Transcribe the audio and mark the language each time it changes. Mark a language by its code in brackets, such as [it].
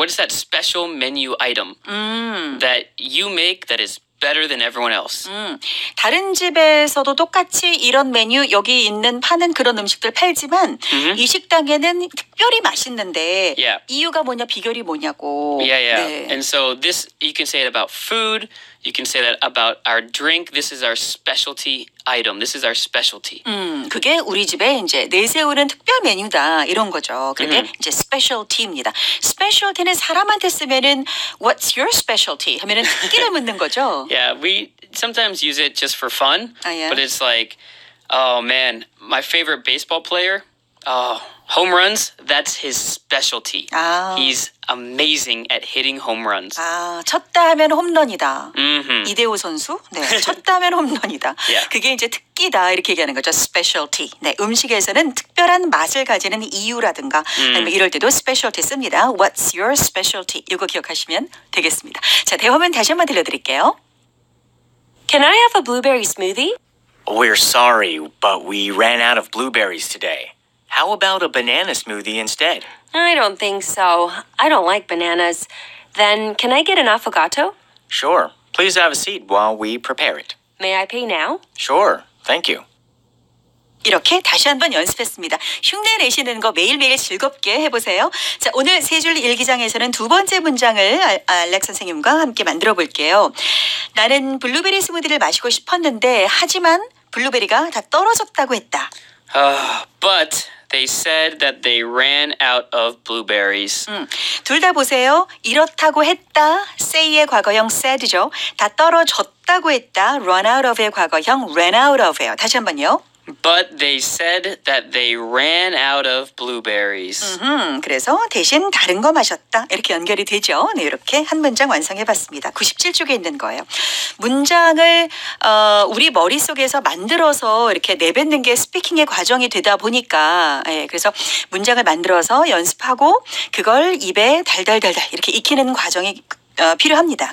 [en] What is that special menu item that you make that is better than everyone else? [ko] 다른 집에서도 똑같이 이런 메뉴 여기 있는 파는 그런 음식들 팔지만 이 식당에는 특별히 맛있는데 [en] yeah. [ko] 이유가 뭐냐 비결이 뭐냐고. [en] Yeah, yeah. [ko] 네. [en] And so this you can say it about food. You can say that about our drink. This is our specialty item. This is our specialty. [ko] 그게 우리 집에 이제 내세우는 특별 메뉴다 이런 거죠. 그게 이제 specialty입니다. Specialty는 사람한테 쓰면은 [en] what's your specialty? [ko] 하면은 특기를 묻는 거죠. [en] Yeah, we sometimes use it just for fun. Yeah. But it's like, oh man, my favorite baseball player. Oh, home runs. That's his specialty. He's amazing at hitting home runs. [ko] 아, 쳤다 하면 홈런이다. Mm-hmm. 이대호 선수? 네, 쳤다 하면 홈런이다. [en] Yeah. [ko] 그게 이제 특기다 이렇게 얘기하는 거죠. Specialty. 네, 음식에서는 특별한 맛을 가지는 이유라든가 아니면 이럴 때도 specialty 씁니다. [en] What's your specialty? [ko] 이거 기억하시면 되겠습니다. 자, 대화문 다시 한번 들려드릴게요. [en] Can I have a blueberry smoothie? We're sorry, but we ran out of blueberries today. How about a banana smoothie instead? I don't think so. I don't like bananas. Then can I get an affogato? Sure. Please have a seat while we prepare it. May I pay now? Sure. Thank you. [ko] 이렇게 다시 한번 연습했습니다. 흉내 내시는 거 매일매일 즐겁게 해보세요. 자, 오늘 세 줄 일기장에서는 두 번째 문장을 알렉 선생님과 함께 만들어 볼게요. 나는 블루베리 스무디를 마시고 싶었는데 하지만 블루베리가 다 떨어졌다고 했다. [en] But they said that they ran out of blueberries. [ko] 둘 다 보세요. 이렇다고 했다. Say의 과거형 said죠. 다 떨어졌다고 했다. Run out of의 과거형 ran out of예요. 다시 한번요. [en] But they said that they ran out of blueberries. [ko] 그래서 대신 다른 거 마셨다. 이렇게 연결이 되죠. 네, 이렇게 한 문장 완성해봤습니다. 97쪽에 있는 거예요. 문장을 우리 머릿속에서 만들어서 이렇게 내뱉는 게 스피킹의 과정이 되다 보니까 예, 그래서 문장을 만들어서 연습하고 그걸 입에 달달달달 이렇게 익히는 과정이 필요합니다.